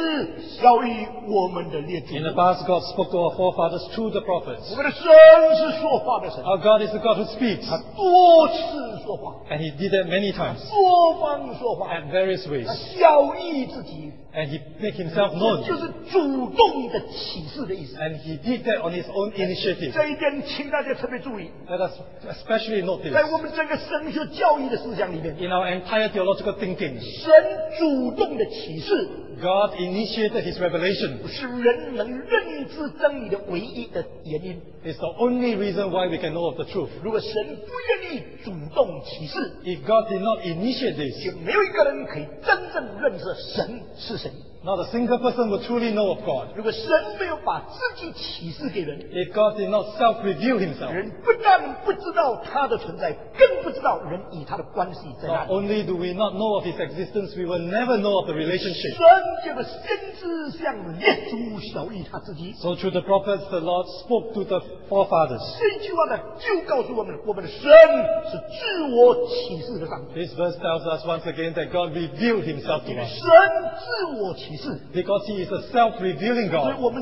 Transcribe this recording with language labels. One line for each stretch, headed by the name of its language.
Chinese: 上帝在古时借着先知晓谕我们的列祖。
English: In the past, God spoke to our forefathers through the prophets.
Chinese: 我们的神是说话的神。
English: Our God is the God who speaks.
Chinese: 他多次说话。
English: And He did that many times.
Chinese: 多方说话。
English: And various ways.
Chinese: 他晓谕自己。
English: And He made Himself known.
Chinese: 就是主动的启示的意思。
English: And He did that on His own initiative.
Chinese: 这一点请大家特别注意。
English: Let us especially note this.
Chinese: 在我们整个神学教义的思想里面。
English: In our entire theological thinking.
Chinese: 神主动的启示。
English: God initiated His revelation.
Chinese: 是人能认知真理的唯一的原因。
English: It's the only reason why we can know of the truth.
Chinese: 如果神不愿意主动启示,
English: if God did not initiate this,
Chinese: 就没有一个人可以真正认识神是谁。
English: Not a single person will truly know of God.
Chinese: 如果神没有把自己启示给人,
English: if God did not self-reveal himself,
Chinese: 人不但不知道他的存在, 更不知道人与他的关系在哪里。
English: Not only do we not know of his existence, we will never know of the relationship.
Chinese: 神就是先知向列祖晓谕他自己。
English: So through the prophets, the Lord spoke to the forefathers.
Chinese: 这句话呢,就告诉我们, 我们的神是自我启示的上帝。
English: This verse tells us once again that God revealed himself to us.
Chinese: 神自我启示。
English: Because he is a self-revealing God.